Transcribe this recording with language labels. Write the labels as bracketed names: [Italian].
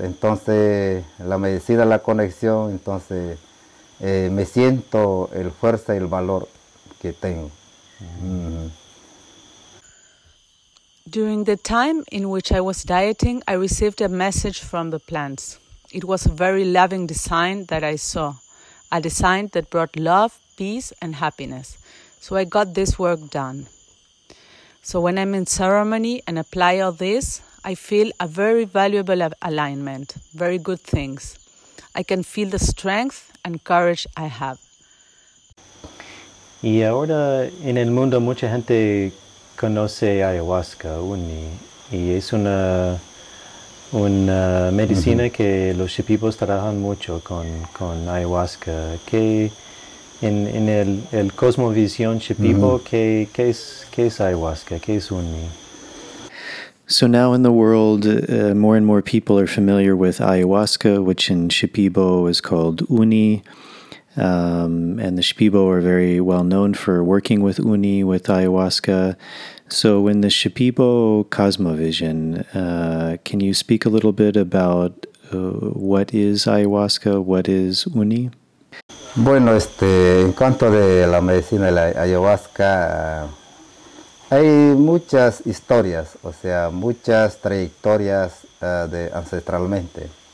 [Spanish] Entonces, la medicina, la conexión, entonces me siento el fuerza y el valor que tengo. Mm-hmm. [English] During the time in which I was dieting, I received a message from the plants. It was a very loving design that I saw, a design that brought love, peace and happiness. So I got this work done. So when I'm in ceremony and apply all this, I feel a very valuable alignment, very good things. I can feel the strength and courage I have. [Spanish] Y ahora en el mundo mucha gente conoce ayahuasca, uni, y es una medicina mm-hmm. que los Shipibos trabajan mucho con ayahuasca. ¿Qué, En el cosmovisión Shipibo, ¿qué es ayahuasca? ¿Qué es uní? [English] So now in the world, more and more people are familiar with ayahuasca, which in Shipibo is called uní. And the Shipibo are very well known for working with uní, with ayahuasca. So in the Shipibo cosmovision, can you speak a little bit about what is ayahuasca, what is uní? [Spanish] Bueno, en cuanto de la medicina de la ayahuasca, hay muchas historias, o sea, muchas trayectorias de ancestralmente.